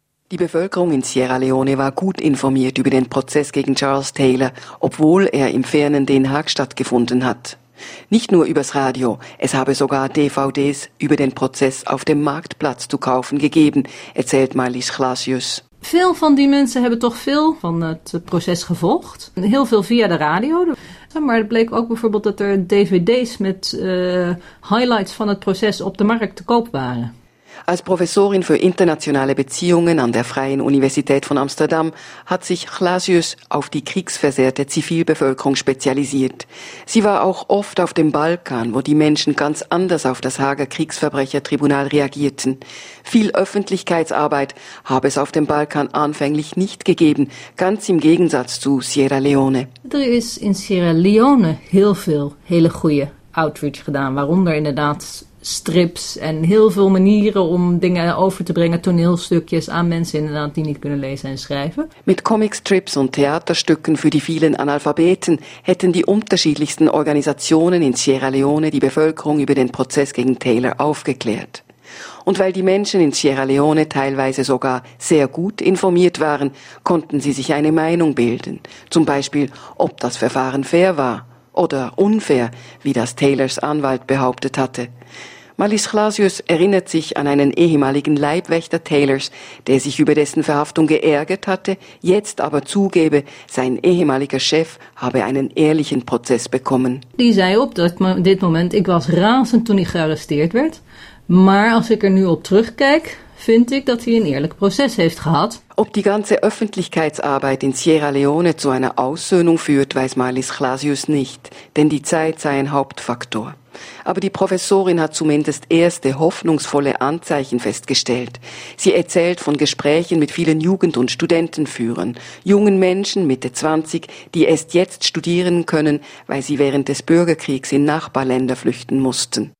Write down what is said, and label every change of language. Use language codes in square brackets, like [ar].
[de] Die Bevölkerung in Sierra Leone war gut informiert über den Prozess gegen Charles Taylor, obwohl er im fernen Den Haag stattgefunden hat. Nicht nur übers Radio, es habe sogar DVDs über den Prozess auf dem Marktplatz zu kaufen gegeben, erzählt Marlies Glasius. [nl] Veel van die mensen hebben toch veel van het proces gevolgd. Heel veel via de radio. Maar het bleek ook bijvoorbeeld dat er DVDs met highlights van het proces op de markt te koop waren. [de] Als Professorin für internationale Beziehungen an der Freien Universität von Amsterdam hat sich Glasius auf die kriegsversehrte Zivilbevölkerung spezialisiert. Sie war auch oft auf dem Balkan, wo die Menschen ganz anders auf das Haager Kriegsverbrechertribunal reagierten. Viel Öffentlichkeitsarbeit habe es auf dem Balkan anfänglich nicht gegeben, ganz im Gegensatz zu Sierra Leone. Da ist [nl] in Sierra Leone heel veel hele goede outreach gedaan, waaronder inderdaad strips en heel veel manieren om dingen over te brengen, toneelstukjes aan mensen inderdaad die niet kunnen lezen en schrijven. Met comicstrips en theaterstukken voor [de] die vielen analfabeten hätten die unterschiedlichsten Organisationen in Sierra Leone die Bevölkerung über den Prozess gegen Taylor aufgeklärt. Und weil die Menschen in Sierra Leone teilweise sogar sehr gut informiert waren, konnten sie sich eine Meinung bilden, zum Beispiel ob das Verfahren fair war oder unfair, wie das Taylors Anwalt behauptet hatte. Marlies Glasius erinnert sich an einen ehemaligen Leibwächter Taylors, der sich über dessen Verhaftung geärgert hatte, jetzt aber zugebe, sein ehemaliger Chef habe einen ehrlichen Prozess bekommen. Die sei [nl] op dit moment, ik was razend toen ik gearresteerd werd, Maar als ik er nu op terugkijk, vind ik dat hij een eerlijk proces heeft gehad. [de] Ob die ganze Öffentlichkeitsarbeit in Sierra Leone zu einer Aussöhnung führt, weiß Marlies Glasius nicht, denn die Zeit sei ein Hauptfaktor. Aber die Professorin hat zumindest erste hoffnungsvolle Anzeichen festgestellt. Sie erzählt von Gesprächen mit vielen Jugend- und Studentenführern, jungen Menschen Mitte 20, die erst jetzt studieren können, weil sie während des Bürgerkriegs in Nachbarländer flüchten mussten.